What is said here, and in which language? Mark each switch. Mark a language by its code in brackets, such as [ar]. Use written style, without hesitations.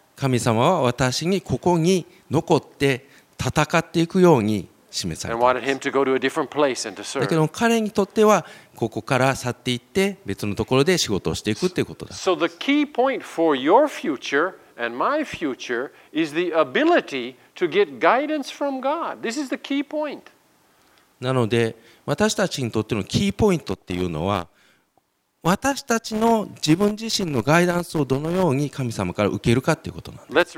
[ja] 神様は私にここに残って戦っていくように。 [en] And wanted him to go to a different place and to serve. [ja] だけど彼にとってはここから去っていって別のところで仕事をしていくということだ。 [en] So the key point for your future and my future is the ability to get guidance from God. This is the key point. [ja] なので私たちにとってのキーポイントっていうのは、私たちの自分自身のガイダンスをどのように神様から受けるかということなんです。